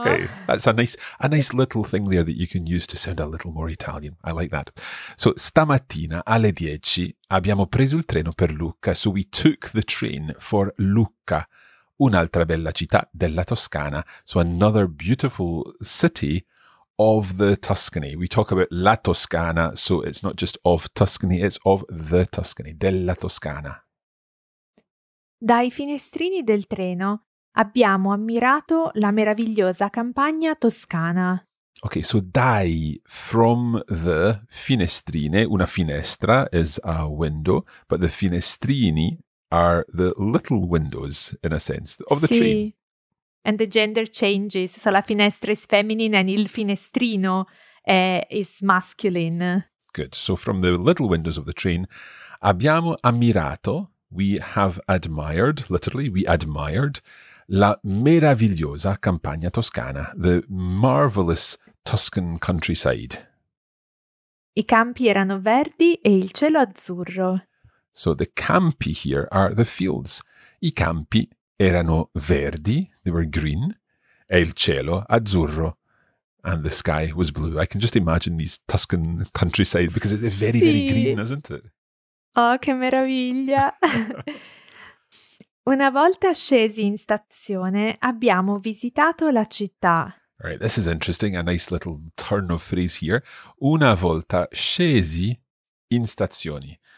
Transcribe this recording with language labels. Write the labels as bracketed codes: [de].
[en] Okay, that's a nice little thing there that you can use to sound a little more Italian. I like that. [it] So, stamattina alle 10 abbiamo preso il treno per Lucca. [en] So, we took the train for Lucca, [it] un'altra bella città della Toscana. [en] So, another beautiful city of the Tuscany. We talk about la Toscana, so it's not just of Tuscany, it's of the Tuscany, [it] della Toscana. Dai finestrini del treno abbiamo ammirato la meravigliosa campagna toscana. [en] Okay, so dai, from the finestrine, una finestra is a window, but the finestrini are the little windows, in a sense, of the [it] sì. [en] Train. And the gender changes, so la finestra is feminine and il finestrino is masculine. Good, so from the little windows of the train, [it] abbiamo ammirato, [en] we have admired, literally, we admired, [it] la meravigliosa campagna toscana, [en] the marvelous Tuscan countryside. [it] I campi erano verdi e il cielo azzurro. [en] So the campi here are the fields. [it] I campi erano verdi, [en] they were green, [it] e il cielo azzurro. [en] And the sky was blue. I can just imagine these Tuscan countryside because it's very, Very green, isn't it? [it] Oh, che meraviglia! Una volta scesi in stazione, abbiamo visitato la città. [en] Right, this is interesting, a nice little turn of phrase here. [it] Una volta scesi in stazione.